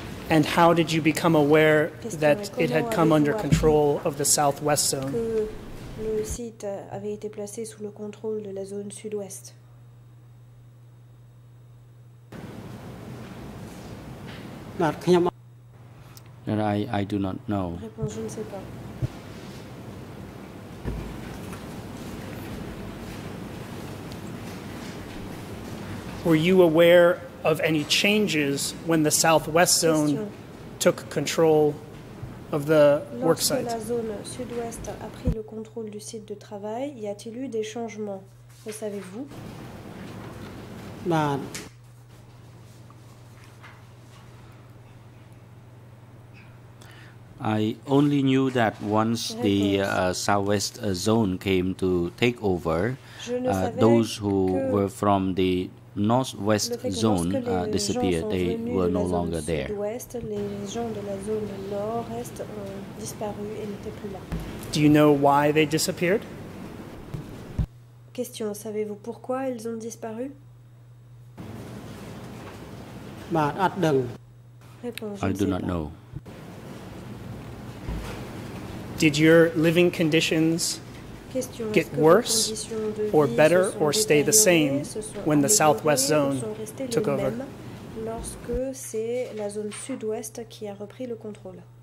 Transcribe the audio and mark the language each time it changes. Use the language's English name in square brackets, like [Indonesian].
[English] And how did you become aware that it had come under control of the Southwest Zone? [French] Le site avait été placé sous le contrôle de la zone sud-ouest. [English] I do not know. [French] Réponse, je ne sais pas. [English] Were you aware of any changes when the Southwest Zone took control of the work site? [French] Lorsque la zone sud-ouest a pris le contrôle du site de travail, y a-t-il eu des changements? Le savez-vous? Non. [English] I only knew that once the Southwest Zone came to take over, those who were from the Northwest Zone disappeared. They were no longer there. Do you know why they disappeared? [French] Question, savez-vous pourquoi ils ont disparu? [English] I do not know. Did your living conditions get worse or better or stay the same when the Southwest Zone took over? [French] Lorsque c'est la zone sud-ouest qui a repris le contrôle.